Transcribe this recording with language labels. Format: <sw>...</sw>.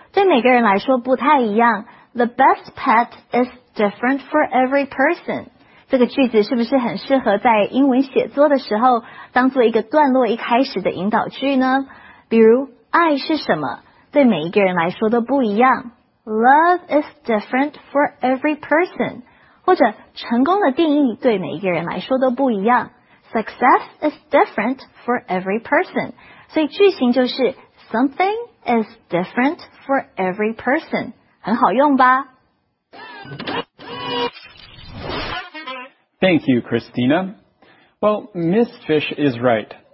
<zh>对每个人来说不太一样。</zh> <en>The best pet is different for every person.</en> <zh>这个句子是不是很适合在英文写作的时候当做一个段落一开始的引导句呢？比如，爱是什么？对每一个人来说都不一样。</zh> <en>Love is different for every person.</en> <zh>或者，成功的定义对每一个人来说都不一样。</zh> <en>Success is different for every person.</en> <zh>所以句型就是</zh> <en>Something is different for every person.</en> <zh>很好用吧?</zh> <en>Thank you, Christina. Well, Miss Fish is right.</en>